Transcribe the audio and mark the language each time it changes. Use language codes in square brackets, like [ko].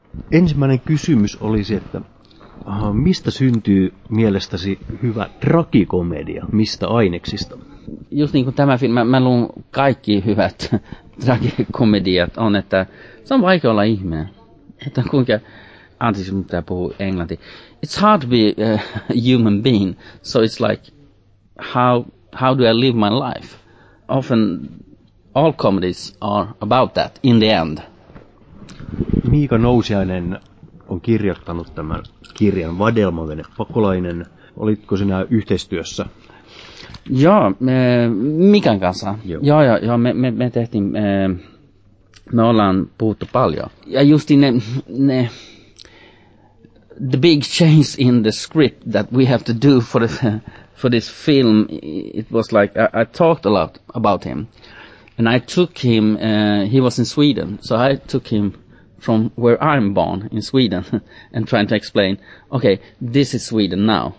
[fi] ensimmäinen kysymys olisi, että mistä syntyy mielestäsi hyvä tragikomedia? Mistä aineksista? Just niin kuin tämä filmi, mä luun kaikki hyvät tragikomediat on, että se on vaikea olla ihminen. Että kuinka, anteeksi, mitä puhuu englanti. [en] It's hard to be a human being, so it's like, how do I live my life? Often all comedies are about that in the end. [fi] Miika Nousiainen on kirjoittanut tämän kirjan Vadelmavene pakolainen. Olitko sinä yhteistyössä? Joo, Mikan kanssa. Joo, me tehtiin, me ollaan puhuttu paljon. Ja just ne, [en] the big change in the script that we have to do for this film, it was like, I talked a lot about him. And I took him, he was in Sweden, so I took him from where I'm born in Sweden and trying to explain, okay, this is Sweden now.